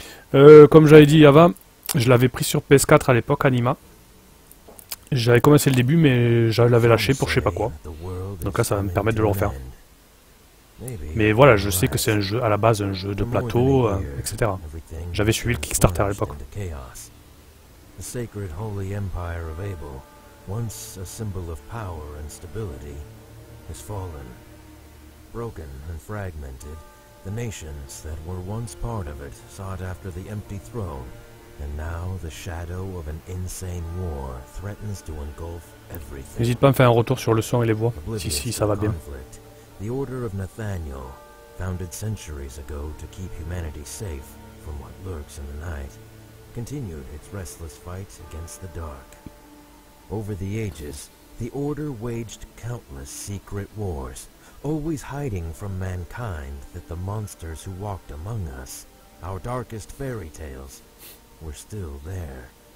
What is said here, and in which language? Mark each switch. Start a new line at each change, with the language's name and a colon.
French: Comme j'avais dit avant, je l'avais pris sur PS4 à l'époque, Anima. J'avais commencé le début, mais je l'avais lâché pour je sais pas quoi. Donc là, ça va me permettre de le refaire. Mais voilà, je sais que c'est un jeu, à la base, un jeu de plateau, etc. J'avais suivi le Kickstarter à l'époque.
English: The sacred holy empire of Abel, once a symbol of power and stability, has fallen. Broken and fragmented, the nations that were once part of it sought after the empty throne, and now the shadow of an insane war threatens to engulf everything.
French: N'hésite pas à me faire un retour sur le son et les voix, si ça va bien.
English: Conflict, the order of Nathaniel, founded centuries ago to keep humanity safe from what lurks in the night, continued its restless fight against the dark. Over the ages, the Order waged countless secret wars, always hiding from mankind that the monsters who walked among us, our darkest fairy tales, were still there.